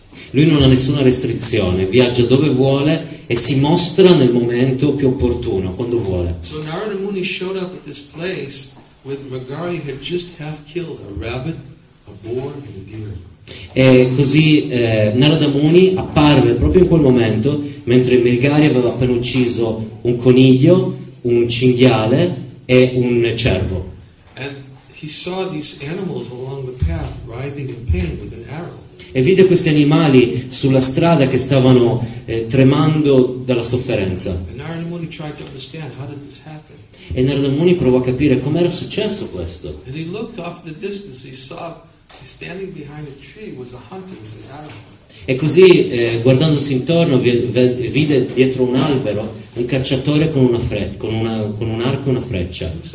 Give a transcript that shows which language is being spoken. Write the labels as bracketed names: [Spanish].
[Italian] Lui non ha nessuna restrizione, viaggia dove vuole e si mostra nel momento più opportuno, quando vuole. [English] So Narada Muni showed up at this place with Megari had just half killed a rabbit, a boar and a deer. [Italian] E così Narada Muni apparve proprio in quel momento mentre Megari aveva appena ucciso un coniglio, un cinghiale e un cervo. [English] And he saw these animals along the path writhing in pain with an arrow. [Italian] E vide questi animali sulla strada che stavano tremando dalla sofferenza. [English] And Narada Muni tried to understand how did this happen. [Italian] E Narada Muni provò a capire com'era successo questo. [English] And he looked off the distance, he saw standing behind a tree was a hunter with an arrow. [Italian] E così, guardandosi intorno, vide dietro un albero un cacciatore con una con un arco e una freccia.